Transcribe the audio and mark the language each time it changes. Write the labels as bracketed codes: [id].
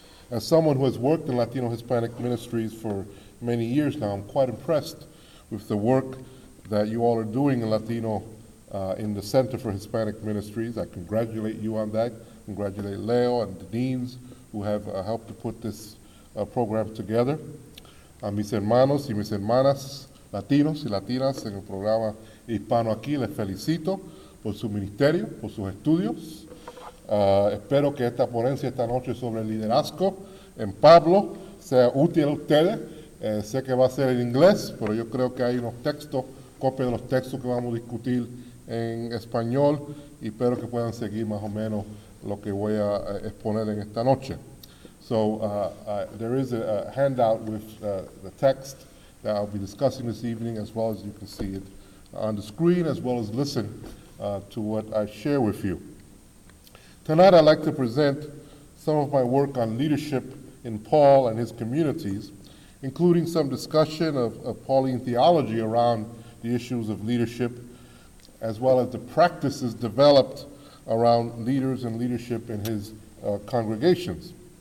[en] As someone who has worked in Latino-Hispanic ministries for many years now, I'm quite impressed with the work that you all are doing in Latino in the Center for Hispanic Ministries. I congratulate you on that. Congratulate Leo and the deans who have helped to put this program together. [es] A mis hermanos y mis hermanas latinos y latinas en el programa Hispano aquí, les felicito por su ministerio, por sus estudios. Espero que esta ponencia esta noche sobre el liderazgo en Pablo sea útil a ustedes. Sé que va a ser en inglés, pero yo creo que hay unos textos, copias de los textos que vamos a discutir en español, y espero que puedan seguir más o menos lo que voy a exponer en esta noche. [en] So there is a handout with the text that I'll be discussing this evening, as well as you can see it on the screen, as well as listen to what I share with you. Tonight I'd like to present some of my work on leadership in Paul and his communities, including some discussion of Pauline theology around the issues of leadership, as well as the practices developed around leaders and leadership in his congregations.